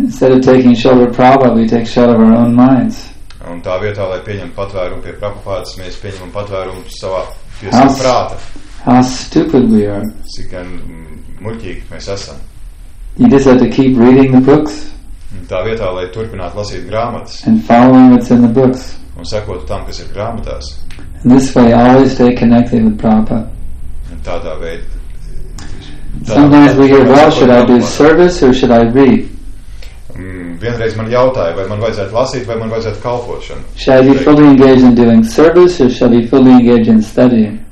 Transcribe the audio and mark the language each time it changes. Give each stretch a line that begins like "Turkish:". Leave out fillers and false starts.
English: Instead of taking shelter Prabhupada, we take shelter of our own minds.
Latvian: Un tā vietā, lai pieņem patvērumu pie Prabhupādas, mēs pieņemam patvērumu savā piesam prāta.
English: How stupid we are.
Latvian: Cik gan muļķīgi mēs esam.
English: You just have to keep reading the books.
Latvian: Tā vietā, lai turpināt lasīt grāmatas.
English: And following what's in the books.
Latvian: Un sekot tam, kas ir grāmatās.
English: And this way, always stay connected with Prabhupada.
Latvian: Un tādā veidā.
English: Sometimes we hear, well, should I do service or should I read?
Latvian: Vienreiz man jautāja, vai man vajadzētu lasīt, vai man vajadzētu kalpošanu.
English: Should I be fully engaged in doing service or should I be fully engaged in studying?